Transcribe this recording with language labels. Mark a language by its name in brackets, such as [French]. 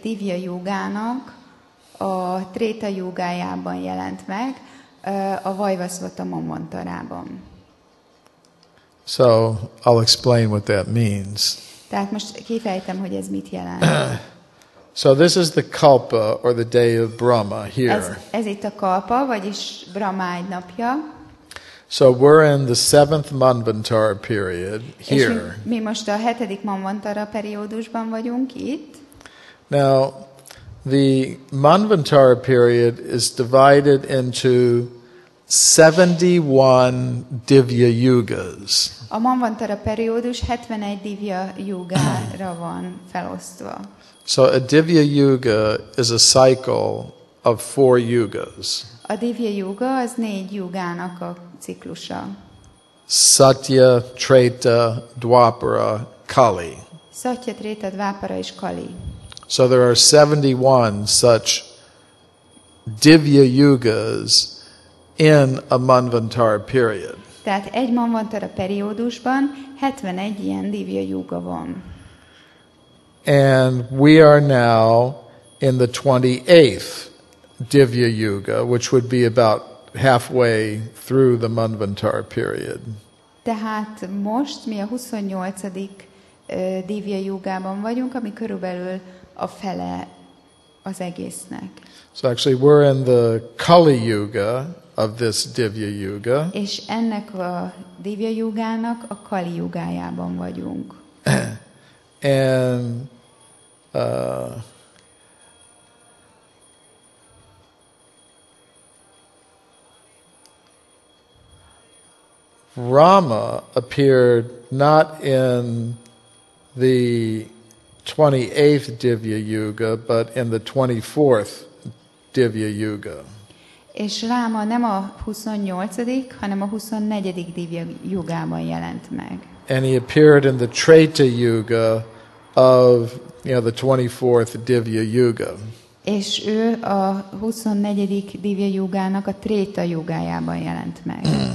[Hungarian] Divya Yugának a Tréta Yugájában jelent meg, a Vaivasvata Manvantarában. [English] So, I'll explain what that means. [Hungarian] Tehát most kifejtem, hogy ez mit jelent. [English] So this is the Kalpa, or the day of Brahma, here. [Hungarian] Ez itt a Kalpa, vagyis Brahma egy napja. [English] So we're in the 7th Manvantara period, here. [Hungarian] És mi most a 7. Manvantara periódusban vagyunk itt. [English] Now, the Manvantara period is divided into 71 Divya Yugas. [Hungarian] A Manvantara periódus 71 Divya Yugára van felosztva. [English] So a Divya Yuga is a cycle of 4 Yugas. [Hungarian] A Divya Yuga az 4 Yugának a ciklusa. [English] Satya, Treta, Dwapara, Kali. [Hungarian] Satya, Treta, Dwapara és Kali. [English] So there are 71 such Divya Yugas in a Manvantara period. [Hungarian] Tehát egy manvantara periódusban 71 ilyen divya yuga van. [English] And we are now in the 28th divya yuga, which would be about halfway through the manvantara period. [Hungarian] Tehát most mi a 28. divya yugában vagyunk, ami körülbelül a fele az egésznek. [English] So actually we're in the Kali Yuga of this Divya Yuga. [Hungarian] És ennek a Divya Yugának a Kali Yugájában vagyunk. [English] And Rama appeared not in the 28th Divya Yuga, but in the 24th Divya Yuga. [Hungarian] És Ráma nem a 28., hanem a 24. Divya Yugában jelent meg. [English] And he appeared in the Treta Yuga of, you know, the 24th Divya Yuga. [Hungarian] És ő a 24. Divya Yugának a Treta Yugájában jelent meg.